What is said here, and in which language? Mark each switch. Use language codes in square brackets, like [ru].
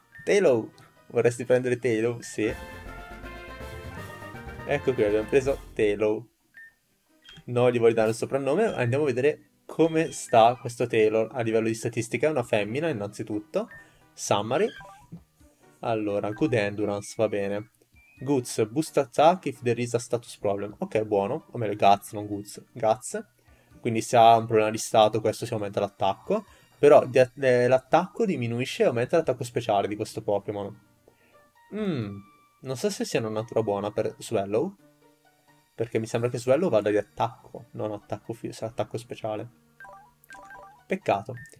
[it] Tailow, vorresti prendere Tailow? Sì. Ecco qui, abbiamo preso Tailow. No, gli voglio dare un soprannome. Andiamo a vedere come sta questo Tailow a livello di statistica. È una femmina, innanzitutto. Summary. Allora, [en] good endurance, [it] va bene. [en] Guts, boost attack if there is a status problem. [it] Ok, buono. O meglio, Guts, non Guts. Guts. Quindi se ha un problema di stato, questo si aumenta l'attacco. Però l'attacco diminuisce e aumenta l'attacco speciale di questo Pokémon. Non so se sia una natura buona per Swallow. Perché mi sembra che Swallow vada di attacco, non attacco, attacco speciale. Peccato.